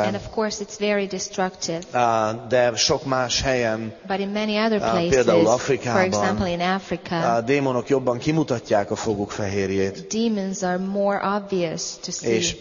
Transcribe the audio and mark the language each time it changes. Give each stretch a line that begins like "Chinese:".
English: And of course it's very destructive.
Hungarian: De sok más helyen,
English: but in many other places,
Hungarian: például Afrikában,
English: for example in Africa,
Hungarian: a démonok jobban kimutatják a foguk fehérjét.
English: Demons are more obvious to see.